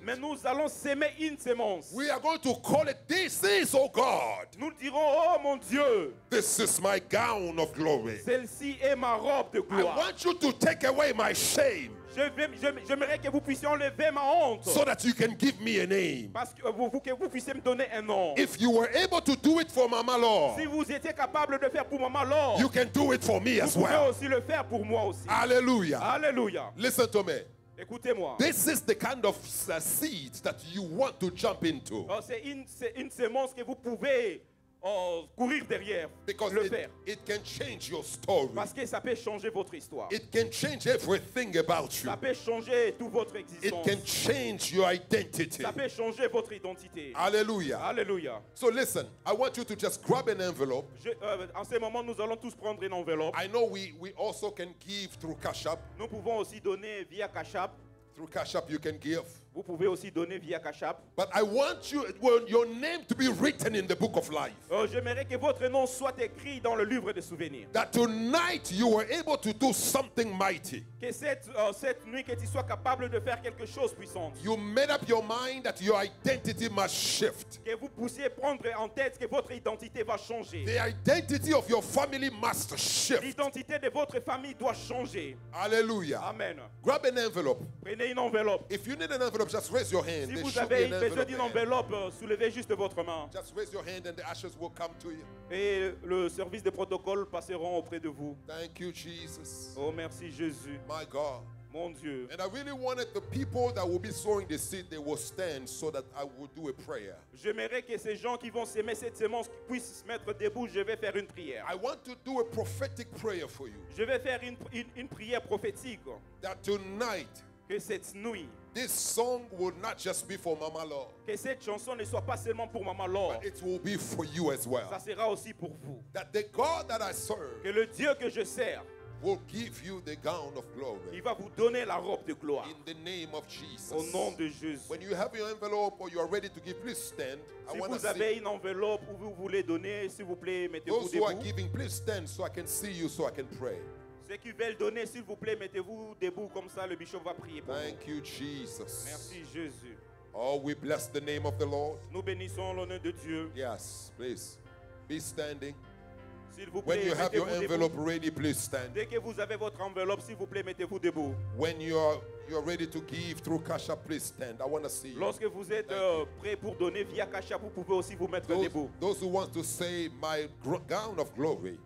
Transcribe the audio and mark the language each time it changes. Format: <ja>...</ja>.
<fr>Mais nous allons semer une semence.</fr> <en>We are going to call it this is oh God.</en> <fr>Nous dirons oh mon Dieu.</fr> <en>This is my gown of glory.</en> <fr>Celle-ci est ma robe de gloire.</fr> <en>I want you to take away my shame.</en> <fr>J'aimerais que vous puissiez enlever ma honte.</fr> <en>So that you can give me a name.</en> <fr>Parce que vous puissiez me donner un nom.</fr> <en>If you were able to do it for Mama Lord.</en> <fr>Si vous étiez capable de faire pour Mama Lord.</fr> <en>You can do it for me as well.</en> <fr>Vous pouvez aussi le faire pour moi aussi. Alléluia. Alléluia.</fr> <en>Listen to me.</en> <fr>Écoutez-moi.</fr> <en>This is the kind of seed that you want to jump into.</en> <fr>C'est une semence que vous pouvez courir derrière</fr> <en>because</en> <fr>le</fr> <en>it can change your story.</en> <fr>Parce que ça peut changer votre histoire.</fr> <en>It can change everything about you.</en> <fr>Ça peut changer toute votre existence.</fr> <en>It can change your identity.</en> <fr>Ça peut changer votre identité. Alléluia. Alléluia.</fr> <en>So listen, I want you to just grab an envelope.</en> <fr>En ce moment, nous allons tous prendre une enveloppe.</fr> <en>I know we also can give through Cash App.</en> <fr>Nous pouvons aussi donner via Cash App.</fr> <en>Through Cash App, you can give.</en> <fr>Vous pouvez aussi donner via Cash App.</fr> <en>But I want you, well, your name to be written in the book of life.</en> <fr>J'aimerais que votre nom soit écrit dans le livre des souvenirs.</fr> <en>That tonight you were able to do something mighty.</en> <fr>Que cette nuit que tu sois capable de faire quelque chose puissant.</fr> <en>You made up your mind that your identity must shift.</en> <fr>Que vous puissiez prendre en tête que votre identité va changer.</fr> <en>The identity of your family must shift.</en> <fr>L'identité de votre famille doit changer. Alléluia. Amen.</fr> <en>Grab an envelope.</en> <fr>Prenez une enveloppe.</fr> <en>If you need an envelope, just raise your hand.</en> <fr>Si vous avez besoin d'une enveloppe, soulevez juste votre main.</fr> <en>Just raise your hand and the ashes will come to you.</en> <fr>Et le service de protocole passeront auprès de vous.</fr> <en>Thank you, Jesus.</en> <fr>Oh, merci Jésus.</fr> <en>My God.</en> <fr>Mon Dieu.</fr> <en>And I really wanted the people that will be sowing the seed, they will stand so that I would do a prayer.</en> <fr>J'aimerais que ces gens qui vont semer cette semence puissent se mettre debout. Je vais faire une prière.</fr> <en>I want to do a prophetic prayer for you.</en> <fr>Je vais faire une prière prophétique.</fr> <en>That tonight,</en> <fr>que cette nuit,</fr> <en>this song will not just be for Mama Lord.</en> <fr>Que cette chanson ne soit pas seulement pour Mama Lord.</fr> <en>But it will be for you as well.</en> <fr>Ça sera aussi pour vous.</fr> <en>That the God that I serve.</en> <fr>Que le Dieu que je sers.</fr> <en>Will give you the gown of glory.</en> <fr>Il va vous donner la robe de gloire.</fr> <en>In the name of Jesus.</en> <fr>Au nom de Jésus.</fr> <en>When you have your envelope or you are ready to give, please stand.</en> <fr>Si vous avez une enveloppe où vous voulez donner, s'il vous plaît, mettez-vous debout.</fr> <en>Those who are giving, please stand so I can see you, so I can pray.</en> <fr>Ceux qui veulent donner, s'il vous plaît, mettez-vous debout comme ça, le bishop va prier pour vous.</fr> <en>Thank you, Jesus.</en> <fr>Merci, Jésus.</fr> <en>Oh, we bless the name of the Lord.</en> <fr>Nous bénissons l'honneur de Dieu.</fr> <en>Yes, please. Be standing.</en> <fr>S'il vous plaît,</fr> <en>when you have your envelope ready, please stand.</en> <fr>Dès que vous avez votre enveloppe, s'il vous plaît, mettez-vous debout.</fr> <en>When you are ready to give through Cash App, please stand. I want to see you.</en> <fr>Lorsque vous êtes prêt pour donner via Cash App, vous pouvez aussi vous mettre debout.</fr> <en>Those who want to say my gown of glory.</en>